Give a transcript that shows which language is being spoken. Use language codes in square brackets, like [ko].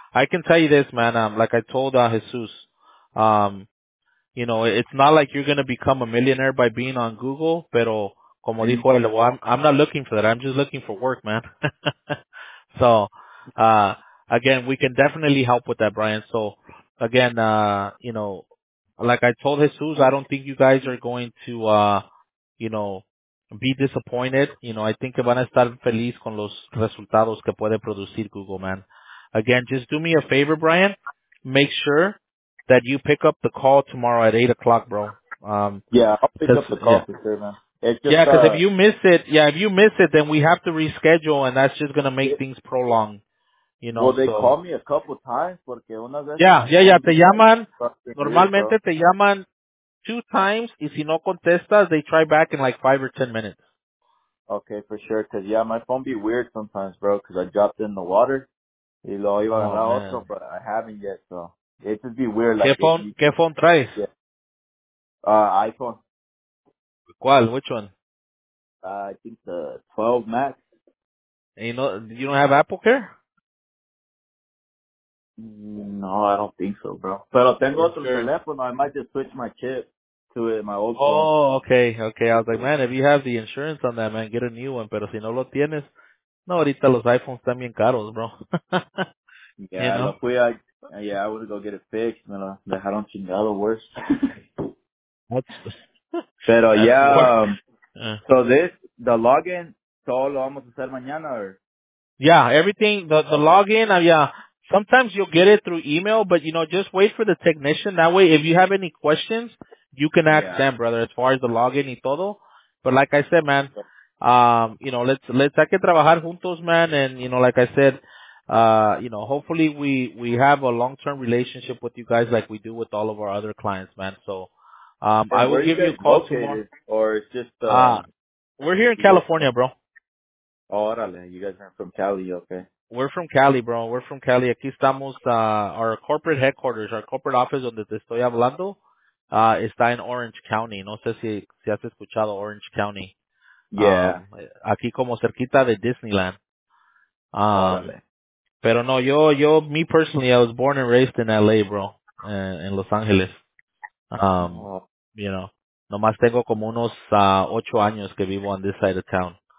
[en] I can tell you this, man, like I told Jesus, you know, it's not like you're going to become a millionaire by being on Google, [es] pero como dijo él, [en] well, I'm not looking for that. I'm just looking for work, man. So, again, we can definitely help with that, Brian. So, again, you know, like I told Jesus, I don't think you guys are going to, you know, be disappointed. You know, I think [es] que van a estar feliz con los resultados que puede producir Google, man. [en] Again, just do me a favor, Brian. Make sure that you pick up the call tomorrow at 8 o'clock, bro. Yeah, I'll pick up the call for sure, man. Because if you miss it, then we have to reschedule, and that's just going to make things prolonged, you know. Well, they so. Call me a couple times, [es] porque una vez... [en] Yeah. [es] Te llaman, normalmente te llaman [en] 2 times, [es] y si no contestas, [en] they try back in like 5 or 10 minutes. Okay, for sure, because, yeah, my phone be weird sometimes, bro, because I dropped it in the water. [es] Y lo iba a ganar otro, [en] but I haven't yet, so... It would be weird. Like, [es] ¿Qué phone traes? [en] Yeah. iPhone. [es] ¿Cuál? [en] Which one? I think the 12 Max. And you don't have Apple Care? No, I don't think so, bro. [es] Pero tengo otro teléfono. [en] I might just switch my chip to it, my old phone. Oh, okay. Okay, I was like, man, if you have the insurance on that, man, get a new one. [es] Pero si no lo tienes, no, ahorita los iPhones están bien caros, bro. [en] Yeah, you know? I would go get it fixed. [es] Me lo dejaron chingado worse. Pero [en] yeah, so the login, [es] todo lo vamos a hacer mañana, [en] or? Yeah, everything, the login, yeah. Sometimes you'll get it through email, but, you know, just wait for the technician. That way, if you have any questions, you can ask them, brother, as far as the login [es] y todo. [en] But like I said, man, you know, let's [es] hay que trabajar juntos, [en] man, and, you know, like I said, you know, hopefully we have a long-term relationship with you guys like we do with all of our other clients, man. So, I will give you a call tomorrow. Or it's just, we're here in California, bro. Órale, you guys are from Cali, okay. We're from Cali, bro. We're from Cali. [es] Aquí estamos, [en] our corporate headquarters, our corporate office [es] donde te estoy hablando, está en Orange County. No sé si has escuchado Orange County. [en] Yeah. [es] Aquí como cerquita de Disneyland. Pero no, [en] me personally, I was born and raised in LA, bro, in Los Angeles. You know, [es] nomás tengo como unos 8 años que vivo [en] on this side of town.